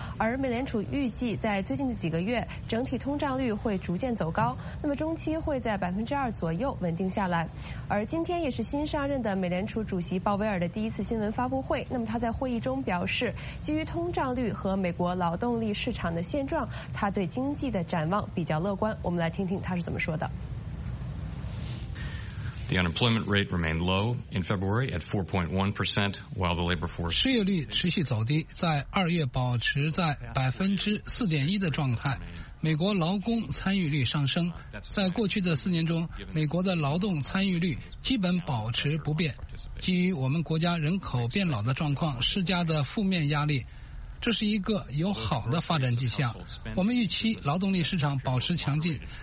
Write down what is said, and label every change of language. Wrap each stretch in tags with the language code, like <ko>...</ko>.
<zh>而美联储预计在最近的几个月，整体通胀率会逐渐走高，那么中期会在2%左右稳定下来。而今天也是新上任的美联储主席鲍威尔的第一次新闻发布会，那么他在会议中表示，基于通胀率和美国劳动力市场的现状，他对经济的展望比较乐观。我们来听听他是怎么说的。</zh> <en>The unemployment rate remained low in February at 4.1%, while the labor force</en> <zh>失业率持续走低，在二月保持在4.1%的状态。美国劳工参与率上升，在过去的四年中，美国的劳动参与率基本保持不变。基于我们国家人口变老的状况施加的负面压力，这是一个有好的发展迹象。我们预期劳动力市场保持强劲，</zh>